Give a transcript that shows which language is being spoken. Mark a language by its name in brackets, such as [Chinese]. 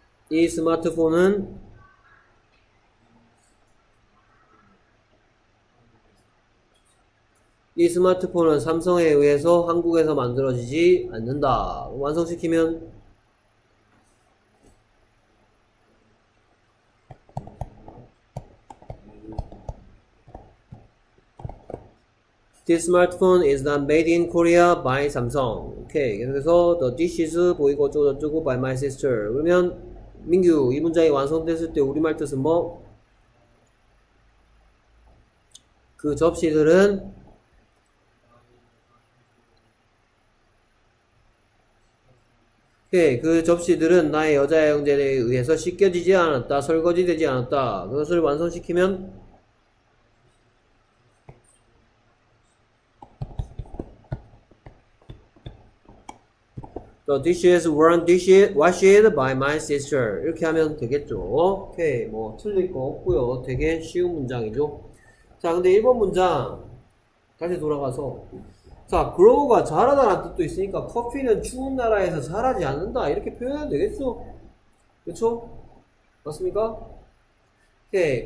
[Korean] 이 스마트폰은 이 스마트폰은 삼성에 의해서 한국에서 만들어지지 않는다. 완성시키면 [English] This smartphone is not made in Korea by Samsung. [Korean] 오케이. 계속해서 The dishes 보이고 어쩌고저쩌고 by my sister. 그러면 민규, 이 문장이 완성됐을 때 우리말 뜻은 뭐? 그 접시들은 오케이. 그 접시들은 나의 여자 형제에 의해서 씻겨지지 않았다. 설거지되지 않았다. 그것을 완성시키면 [English] The dishes weren't dishes washed by my sister. [Korean] 이렇게 하면 되겠죠. 오케이. 뭐 틀릴 거 없고요. 되게 쉬운 문장이죠. 자, 근데 1번 문장 다시 돌아가서 자, grow가 자라다라는 뜻도 있으니까 커피는 추운 나라에서 자라지 않는다. 이렇게 표현해도 되겠죠. 그렇죠? 맞습니까? 오케이.